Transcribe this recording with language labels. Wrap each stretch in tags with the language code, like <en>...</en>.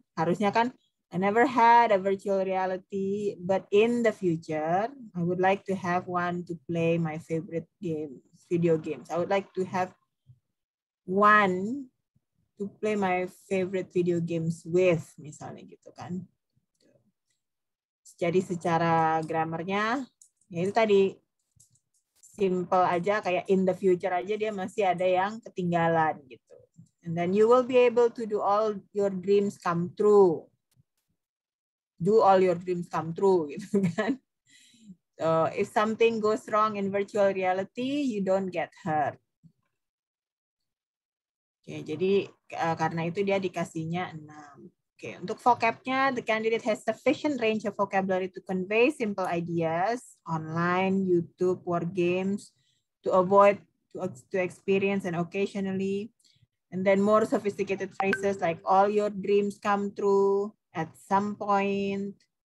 <id>Harusnya kan</id> <en>I never had a virtual reality but in the future I would like to have one to play my favorite games, video games. I would like to have one to play my favorite video games with,</en> <id>misalnya gitu kan. Jadi secara grammarnya ya itu tadi simple aja, kayak</id> <en>in the future</en> <id>aja dia masih ada yang ketinggalan gitu.</id> <en>And then you will be able to do all your dreams come true. Do all your dreams come true</en> <id>gitu kan.</id> <en>So, if something goes wrong in virtual reality, you don't get hurt.</en> <id>Okay, jadi karena itu dia dikasihnya 6. Okay. Untuk vocab-nya,</id> <en>the candidate has sufficient range of vocabulary to convey simple ideas, online, YouTube, word games, to avoid, to experience and occasionally, and then more sophisticated phrases like all your dreams come true at some point.</en>